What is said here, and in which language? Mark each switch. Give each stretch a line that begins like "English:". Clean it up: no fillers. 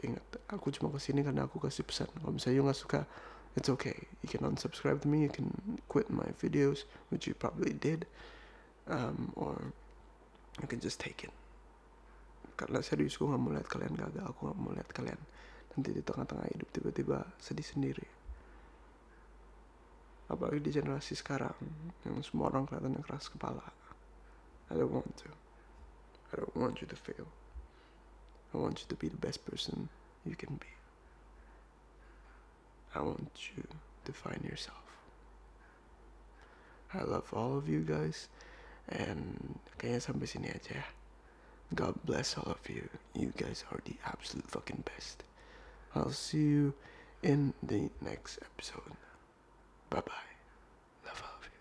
Indonesian: Ingat, aku cuma kesini karena aku kasih pesan. Kalau misalnya you gak suka,
English: it's okay. You can unsubscribe to me, you can quit my videos, which you probably did. Or you can just take it.
Indonesian: Karena serius, gue gak mau lihat kalian gagal. Aku gak mau lihat kalian nanti di tengah-tengah hidup tiba-tiba sedih sendiri. Apalagi di generasi sekarang yang semua orang kelihatannya keras kepala.
English: I don't want you to fail. I want you to be the best person you can be. I want you to find yourself. I love all of you guys.
Indonesian: And kayaknya sampai sini aja ya.
English: God bless all of you. You guys are the absolute fucking best. I'll see you in the next episode. Bye-bye. Love all.